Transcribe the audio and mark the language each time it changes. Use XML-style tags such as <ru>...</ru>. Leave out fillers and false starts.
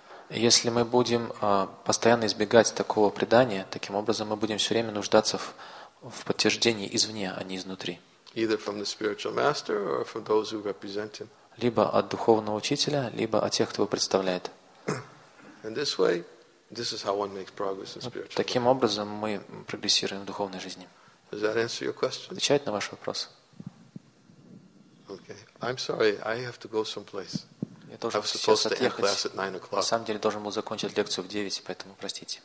<ru>Если мы будем постоянно избегать такого предания, таким образом мы будем все время нуждаться в подтверждении извне, а не изнутри.</ru> <en>Either from the spiritual master or from those who represent him.</en> <ru>Либо от духовного учителя, либо от тех, кто его представляет.</ru> <en>And this way, this is how one makes progress in spiritual life.</en> <ru>Таким образом мы прогрессируем в духовной жизни.</ru> <en>Does that answer your question?</en> <ru>Отвечает на ваш вопрос.</ru> <en>Okay. I'm sorry. I have to go someplace.</en> <ru>Я тоже</ru> <en>I was supposed to end class at 9:00.</en> <ru>На самом деле должен был закончить лекцию в 9:00, поэтому простите.</ru>